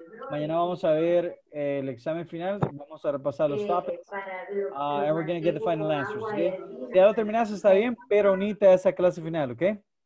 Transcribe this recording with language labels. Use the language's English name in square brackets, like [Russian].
[Spanish] Mañana vamos a ver el examen final, vamos a repasar los topics. [English] And we're gonna get the final answers, okay? [Spanish] Si ya lo terminaste, está bien, pero unite a esa clase final, okay?